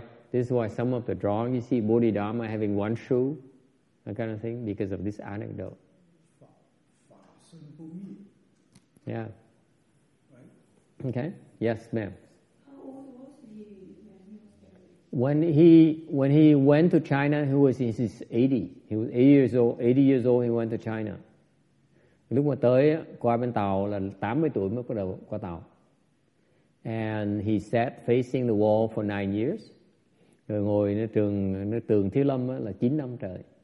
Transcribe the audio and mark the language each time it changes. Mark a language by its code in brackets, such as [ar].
[en] This is why some of the drawings, you see Bodhidharma having one shoe, that kind of thing, because of this anecdote. Yeah. Right. Okay. Yes, ma'am. How old was he when he was buried? When he went to China, he was in his 80. He was 80 years old. 80 years old, he went to China. [vi] Lúc mà tới, qua bên tàu là 80 tuổi mới bắt đầu qua tàu. [en] And he sat facing the wall for 9 years. [vi] Rồi ngồi nơi trường, nơi tường Thiếu Lâm là 9 năm trời.